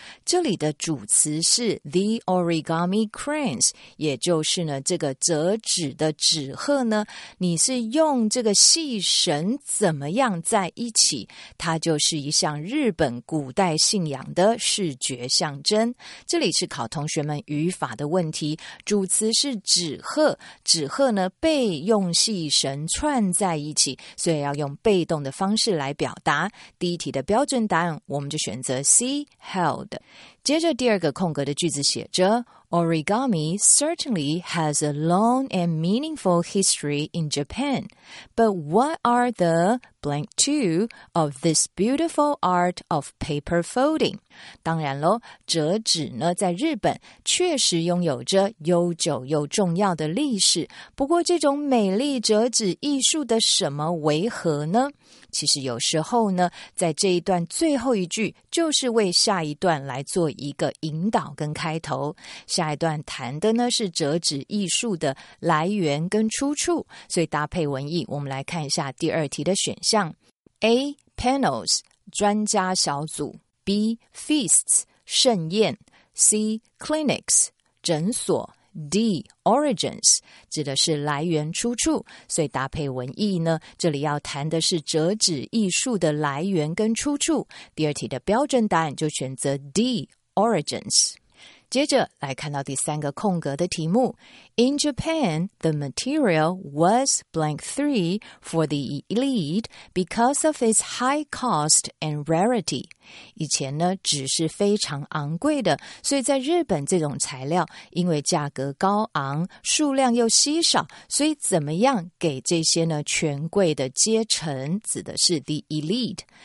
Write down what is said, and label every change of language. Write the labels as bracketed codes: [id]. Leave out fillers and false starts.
[zh] 这里的主词是 [en] the origami cranes, [zh] 也就是呢这个折纸的纸鹤呢，你是用这个细绳怎么样在一起，它就是一项日本古代信仰的视觉象征。这里是考同学们语法的问题，主词是纸鹤，纸鹤呢被用细绳串在一起，所以要用被动的方式来表达。第一题的标准答案我们就选择 C, held。接着第二个空格的句子写着 [en] Origami certainly has a long and meaningful history in Japan, but what are the blank to of this beautiful art of paper folding? [zh] 当然咯，折纸呢在日本确实拥有着悠久又重要的历史，不过这种美丽折纸艺术的什么为何呢？其实有时候呢，在这一段最后一句就是为下一段来做一个引导跟开头。下一段谈的呢是折纸艺术的来源跟出处，所以搭配文意，我们来看一下第二题的选项 A. Panels 专家小组 B. Feasts 盛宴 C. Clinics 诊所D. Origins 指的是来源出处，所以搭配文意呢，这里要谈的是折纸艺术的来源跟出处。第二题的标准答案就选择 D. [en] Origins。 [zh] 接着来看到第三个空格的题目 [en] In Japan, the material was blank 3 for the elite because of its high cost and rarity. [zh] 以前呢纸是非常昂贵的，所以在日本这种材料因为价格高昂，数量又稀少，所以怎么样给这些呢权贵的阶层，指的是 the elite。